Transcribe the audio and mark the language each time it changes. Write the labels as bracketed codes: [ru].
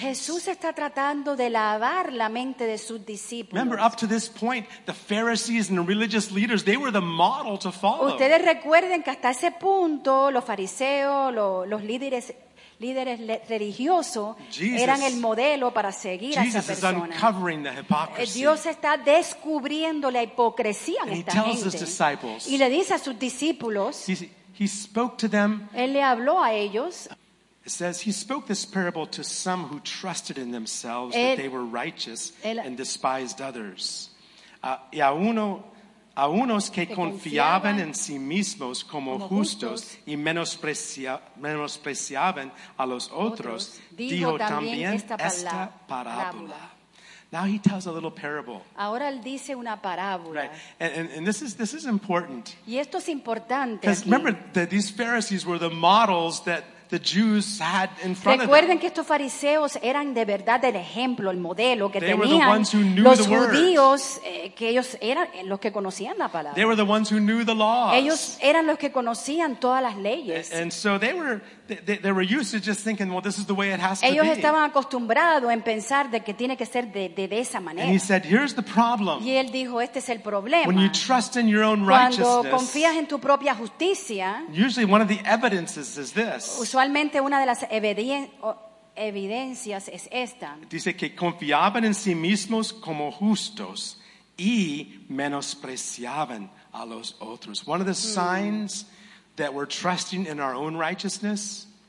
[es] Jesús está tratando de lavar la mente de sus discípulos. [en] Remember, up to this point, the Pharisees and the religious leaders, they were the model to follow. [es] Ustedes recuerden que hasta ese punto, los fariseos, los líderes religiosos [en] Jesus, [es] eran el modelo para seguir [en] Jesus [es] a esa persona. [en] Is uncovering the hypocrisy. [es] Dios está descubriendo la hipocresía [en] and [es] en esta gente. [en] He tells his disciples, [es] y le dice a sus discípulos, [en] he spoke to them, [es] él le habló a ellos. [en] It says he spoke this parable to some who trusted in themselves that they were righteous and despised others. [es] Y a unos que confiaban en sí mismos como justos y menospreciaban a los otros, dijo también esta parábola. [en] Now he tells a little parable. [es] Ahora él dice una parábola. [en] Right. And this is important. [es] Y esto es importante. [en] Because remember that these Pharisees were the models that the Jews had in front [es] Recuerden [en] of them. [es] Recuerden que estos fariseos eran de verdad el ejemplo, el modelo que [en] they [es] tenían. [en] They were the ones who knew [es] los judíos, que ellos eran los que conocían la palabra. [en] They were the ones who knew the laws. [es] Ellos eran los que conocían todas las leyes. [en] And so they were used to just thinking, well, this is the way it has [es] ellos [en] to be. [es] Ellos estaban acostumbrados en pensar de que tiene que ser de esa manera. [en] And he said, here's the problem. [es] Y él dijo, este es el problema. [en] When you trust in your own righteousness. [es] Cuando confías en tu propia justicia. [en] Usually one of the evidences is this. [es] Usualmente una de las evidencias es esta. Dice que confiaban en sí mismos como justos y menospreciaban a los otros. [en] One of the signs that we're trusting in our own righteousness.